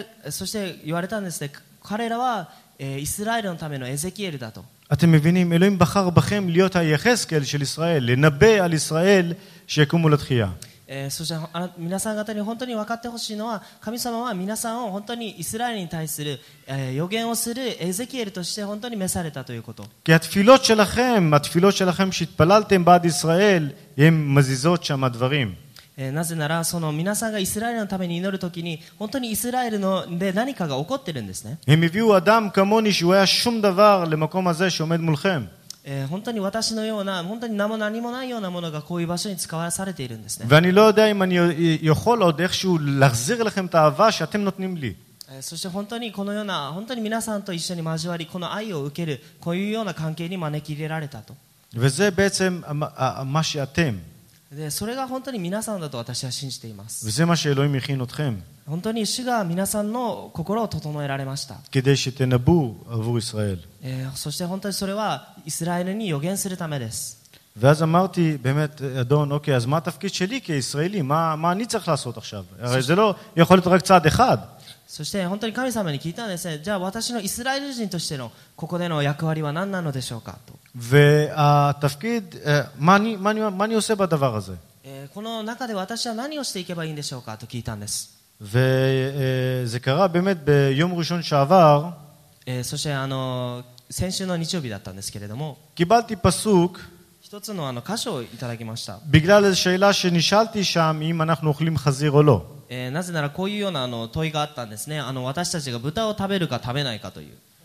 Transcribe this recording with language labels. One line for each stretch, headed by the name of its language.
Japanese: そして言われたんですね、彼らはイスラエルのためのエゼキエルだと。
Hebrew: אתם מבינים, אלוהים בחר בכם להיות היחזקאל של ישראל, לנבא על ישראל שיקומו לתחייה.
Japanese: そして皆さん方に本当に分かってほしいのは、神様は皆さんを本当にイスラエルに対する予言をするエゼキエルとして本当に召されたということ。
Hebrew: כי התפילות שלכם, התפילות שלכם שהתפללתם בעד ישראל, הן מזיזות שם הדברים.
Japanese: なぜならその皆さんがイスラエルのために祈るときに本当にイスラエルので何かが起こってるんですね。
Hebrew: הם הביאו אדם כמוני שהוא היה שום דבר למקום הזה שעומד מולכם.
Japanese: 本当に私のような本当に何も何もないようなものがこういう場所に使わされているんですね。
Hebrew: ואני לא יודע אם אני יכול עוד איכשהו להחזיר לכם את האהבה שאתם נותנים לי.
Japanese: そして本当にこのような本当に皆さんと一緒に交わりこの愛を受けるこういうような関係に招き入れられたと。
Hebrew: וזה בעצם מה שאתם
Japanese: でそれが本当に皆さんだと私は信じています。
Hebrew: וזה מה שאלוהים הכין אתכם.
Japanese: 本当に主が皆さんの心を整えられました。
Hebrew: כדי שתנבו עבור ישראל.
Japanese: そして本当にそれはイスラエルに予言するためです。
Hebrew: ואז אמרתי, באמת, אדון, אוקיי, אז מה התפקיד שלי כישראלי? מה אני צריך לעשות עכשיו? הרי זה לא יכול להיות רק צעד אחד.
Japanese: そして本当に神様に聞いたんですね。じゃあ私のイスラエル人としてのここでの役割は何なのでしょうかと。
Hebrew: והתפקיד, מה אני עושה בדבר הזה?
Japanese: この中で私は何をしていけばいいんでしょうかと聞いたんです。
Hebrew: וזה קרה באמת ביום ראשון שעבר.
Japanese: そして先週の日曜日だったんですけれども。
Hebrew: קיבלתי פסוק.
Japanese: 一つの箇所をいただきました。
Hebrew: בגלל איזו שאלה שנשאלתי שם, אם אנחנו אוכלים חזיר או לא.
Japanese: なぜならこういうような問いがあったんですね。私たちが豚を食べるか食べないかという。